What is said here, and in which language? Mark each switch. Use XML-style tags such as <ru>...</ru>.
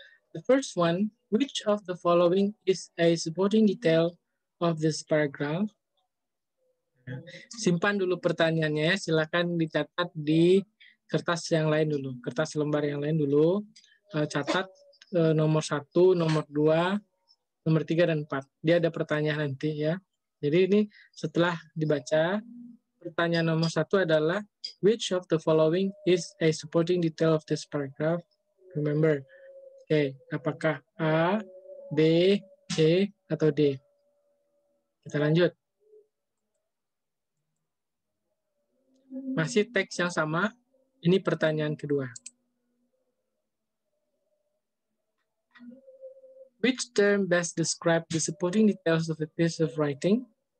<en>The first one, which of the following is a supporting detail of this paragraph?</en> <id>Simpan dulu pertanyaannya ya. Silakan dicatat di kertas yang lain dulu. Kertas lembar yang lain dulu. Catat nomor 1, nomor 2, nomor 3, dan 4. Dia ada pertanyaan nanti ya. Jadi ini setelah dibaca. Pertanyaan nomor 1 adalah,</id> <en>which of the following is a supporting detail of this paragraph?</en> <id>Remember, okay, apakah A, B, C, atau D? Kita lanjut. Masih teks yang sama, ini pertanyaan kedua.</id> <en>Which term best describes the supporting details of a piece of writing?</en>